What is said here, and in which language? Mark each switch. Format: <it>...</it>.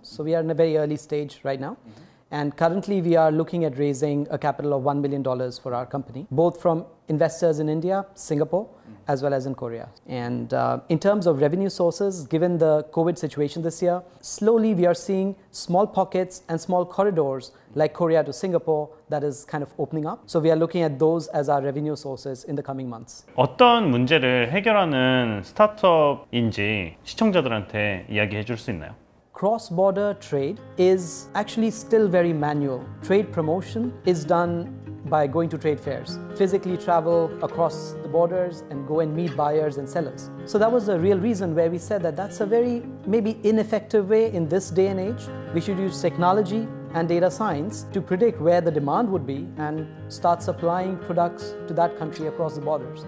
<en>So we are in a very early stage right now. Mm-hmm. And currently we are looking at raising a capital of $1 million for our company, both from investors in India, Singapore, mm-hmm. as well as in Korea. And in terms of revenue sources, given the COVID situation this year, slowly we are seeing small pockets and small corridors like Korea to Singapore that is kind of opening up. So we are looking at those as our revenue sources in the coming months.</en> <ko>어떤 문제를 해결하는 스타트업인지 시청자들한테 이야기해 줄 수 있나요?</ko> <en>Cross-border trade is actually still very manual. Trade promotion is done by going to trade fairs, physically travel across the borders and go and meet buyers and sellers. So that was the real reason where we said that that's a very maybe ineffective way in this day and age. We should use technology and data science to predict where the demand would be and start supplying products to that country across the borders.</en>